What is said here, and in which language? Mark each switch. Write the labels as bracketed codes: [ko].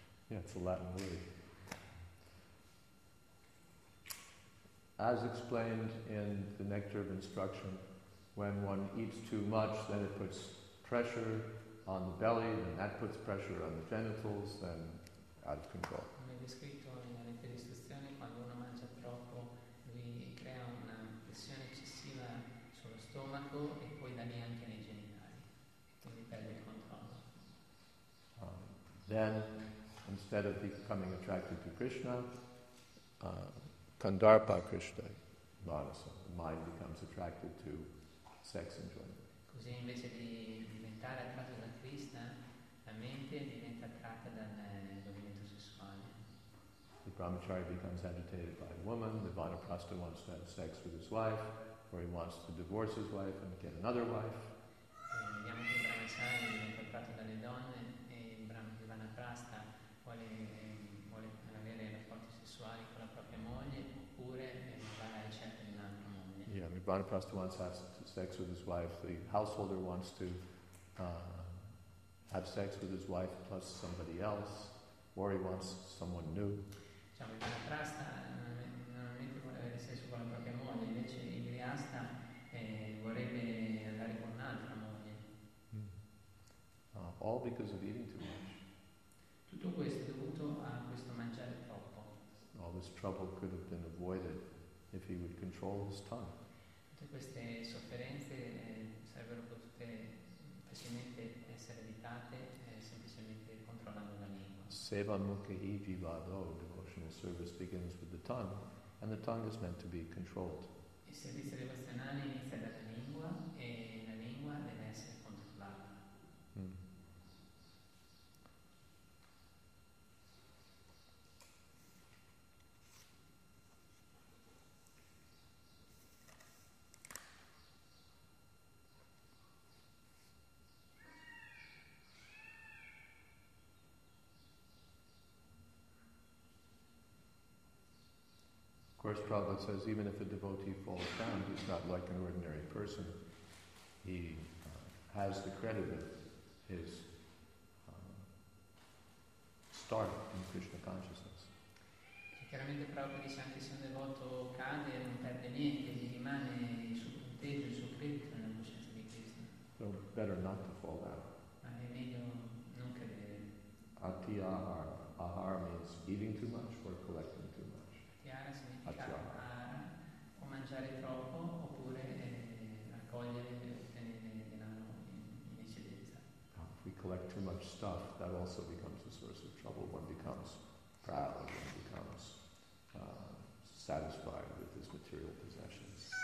[en] Yeah, it's a Latin word. As explained in the Nectar of Instruction, when one eats too much, then it puts pressure on the belly, then that puts pressure on the genitals, then out of control. [it] Come è scritto nella lettera di istruzione, quando uno mangia troppo, lui crea una pressione eccessiva sullo stomaco e poi da lì anche nei genitali, quindi perde il controllo. [en] Then, instead of becoming attracted to Krishna, Kandarpa Krishna, Manasa, the mind becomes attracted to sex enjoyment. [it] Così invece di diventare attratto da Krishna, la mente diventa attratta dal movimento sessuale. [en] The brahmachari becomes agitated by a woman, the vanaprastha wants to have sex with his wife, or he wants to divorce his wife and get another wife. [it] Vediamo che il brahmachari diventa attratto dalle donne e il vanaprastha vuole avere rapporti sessuali con la propria moglie oppure va alla ricerca di un'altra moglie. [en] Yeah, the vanaprastha wants to have sex with his wife, the householder wants to have sex with his wife plus somebody else, or he wants someone new. [it] Diciamo, il vanaprastha normalmente vuole avere sesso con la propria moglie, invece il griasta vorrebbe andare con un'altra moglie. [en] All because of eating too much. [it] Tutto questo è dovuto a questo mangiare troppo. [en] All this trouble could have been avoided if he would control his tongue. [it] Tutte queste sofferenze sarebbero potute facilmente essere evitate semplicemente controllando la lingua. [sa] Seva mukhi jivado, [en] devotional service begins with the tongue, and the tongue is meant to be controlled. [it] Il servizio devozionale inizia dalla lingua e la lingua deve essere controllata. [en] Of course, Prabhupada says even if a devotee falls down, he's not like an ordinary person. He has the credit of his start in Krishna consciousness. [it] Chiaramente Prabhupada dice anche se un devoto cade non perde niente, gli rimane il suo punteggio, il suo credito nella coscienza di Krishna. [en] So better not to fall down. [it] Ma è meglio non cadere. [en] Ati ahar. Ahar means eating too much or collecting too much. [it] Significa o mangiare troppo oppure raccogliere e ottenere denaro in eccedenza. [en] If we collect too much stuff, that also becomes a source of trouble. One becomes proud, one becomes satisfied with his material possessions.